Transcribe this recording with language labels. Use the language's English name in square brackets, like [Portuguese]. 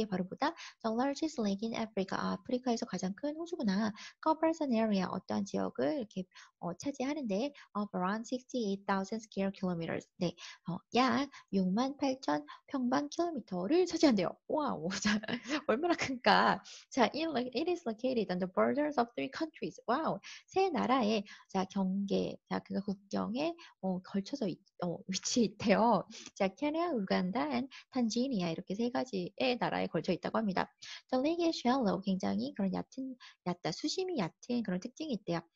[Korean] 그게 바로 보다 [English] the largest lake in Africa, [Korean] 아프리카에서 가장 큰 호수구나. [English] Covers an area, [Korean] 어떠한 지역을 이렇게 차지하는데 [English] of around 68,000 square kilometers. [Korean] 네, 약 68,000 평방 킬로미터를 차지한대요. 와우, 자, 얼마나 큰가? [English] 자, it is located on the borders of three countries. [Korean] 와우, 세 나라의 자 경계, 자 그가 국경에 걸쳐서 위치해 있대요. 자, 케냐, 우간다, and 탄지니아 이렇게 세 가지의 나라에 걸쳐 있다고 합니다. [English] The lake is shallow, [Korean] 굉장히 그런 얕다, 수심이 얕은 그런 특징이 있대요.